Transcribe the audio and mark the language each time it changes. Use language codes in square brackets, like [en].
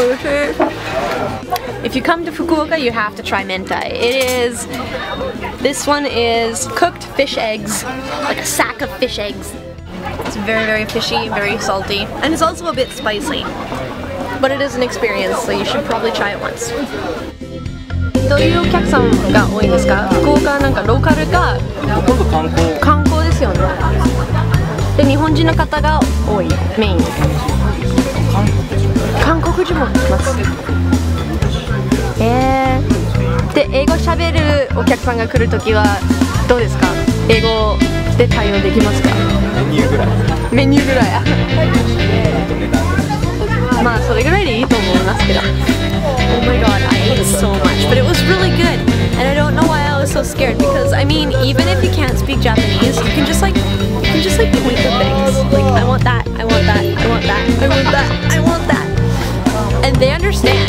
[en] If you come to Fukuoka, you have to try mentai. It is. This one is cooked fish eggs, like a sack of fish eggs. It's very, very fishy, very salty, and it's also a bit spicy. But it is an experience, so you should probably try it once. [ja] どういうお客さんが多いんですか？福岡はなんかローカルか？ほとんど観光。観光ですよね。で、日本人の方が多い、メイン。韓国人も来ます。で、英語喋るお客さんが来るときはどうですか？英語で対応できますか？メニューぐらい。メニューぐらい。まあそれぐらいでいいと思いますけど。 [en] Oh my god, I ate so much, but it was really good. And I don't know why I was so scared, because I mean, even if you can't speak Japanese, you can just like point to things. Like, I want that, I want that, I want that, I want that, I want that. And they understand.